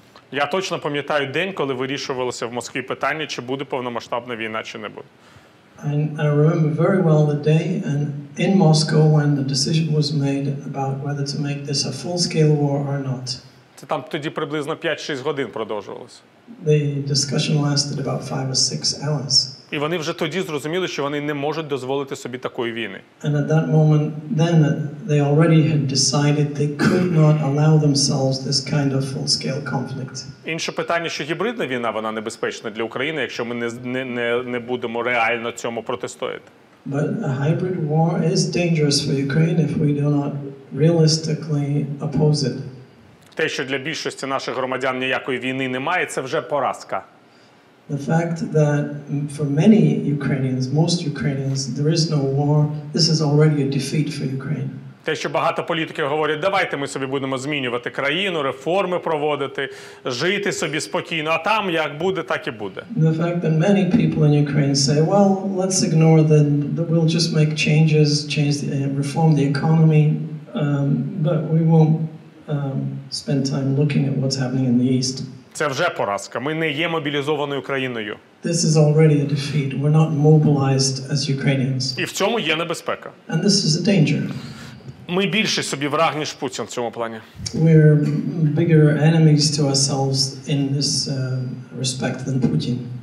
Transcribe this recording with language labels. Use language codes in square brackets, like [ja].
[uk] Я точно пам'ятаю день, коли вирішувалося в Москві питання, чи буде повномасштабна війна, чи не буде. [en] I remember very well the day and in Moscow when the decision was made about whether to make this a full-scale war or not. [uk] Це там тоді приблизно 5-6 годин продовжувалося. [en] The discussion lasted about 5 or 6 hours. [uk] І вони вже тоді зрозуміли, що вони не можуть дозволити собі такої війни. [en] And at that moment then they already had decided they could not allow themselves this kind of full-scale conflict. [uk] Інше питання, що гібридна війна, вона небезпечна для України, якщо ми не будемо реально цьому протистояти. [en] But a hybrid war is dangerous for Ukraine if we do not realistically oppose it. [uk] Те, що для більшості наших громадян ніякої війни немає, це вже поразка. [en] the fact that for many Ukrainians, most Ukrainians, there is no war, this is already a defeat for Ukraine. [uk] Те, що багато політиків говорять, давайте ми собі будемо змінювати країну, реформи проводити, жити собі спокійно, а там як буде, так і буде. [en] The fact that many people in Ukraine say, well, let's ignore that, we'll just make changes, change the, reform the economy, but we won't spend time looking at what's happening in the East. [uk] Це вже поразка. Ми не є мобілізованою країною. [en] This is already a defeat. We're not mobilized as Ukrainians. [uk] І в цьому є небезпека. [en] And this is a danger. [uk] Ми більше собі враг, ніж Путін в цьому плані. [en] We're bigger enemies to ourselves in this respect than Putin.